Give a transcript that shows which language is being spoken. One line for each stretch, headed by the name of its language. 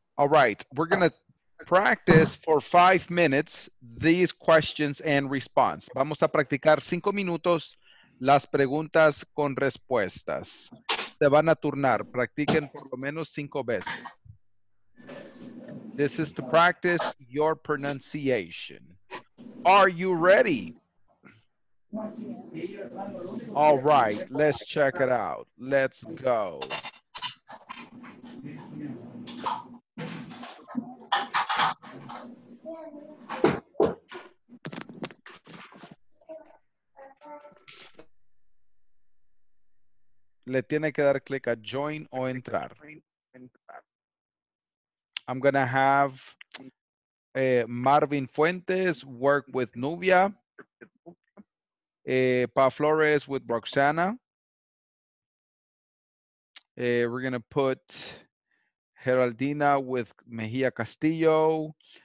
English: All right, we're going to practice for 5 minutes these questions and response.
Spanish: Vamos a practicar 5 minutos las preguntas con respuestas. Se van a turnar. Practiquen por lo menos 5 veces.
English: This is to practice your pronunciation. Are you ready? All right, let's check it out. Let's go.
Spanish: Le tiene que dar click a join o entrar.
English: I'm going to have Marvin Fuentes work with Nubia. Pa Flores with Roxana. We're going to put Geraldina with Mejia Castillo.